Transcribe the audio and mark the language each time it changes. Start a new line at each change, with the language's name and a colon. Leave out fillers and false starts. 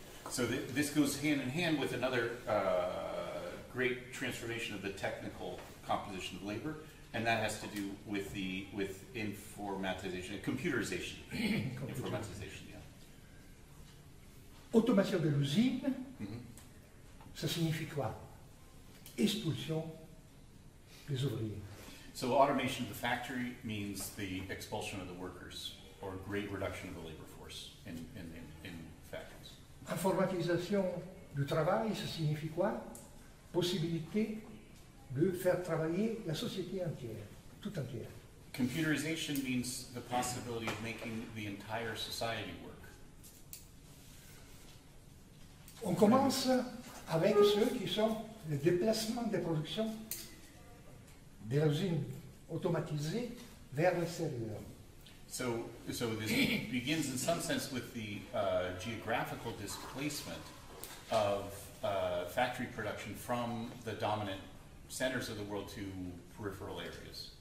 English: So this goes hand in hand with another great transformation of the technical composition of labor, and that has to do with the with informatization, computerization. Informatization, yeah.
French: Automation de l'usine, ça signifie quoi? Expulsion des ouvriers.
English: So automation of the factory means the expulsion of the workers, or great reduction of the labor force in factories.
French: Informatisation du travail, ça signifie quoi? Possibilité de faire travailler la société entière, tout entière.
English: Computerization means the possibility of making the entire society work.
French: On commence avec ceux qui sont les déplacements de production de l'usine automatisée vers l'extérieur.
English: So this begins in some sense with the geographical displacement of factory production from the dominant centers of the world to peripheral areas.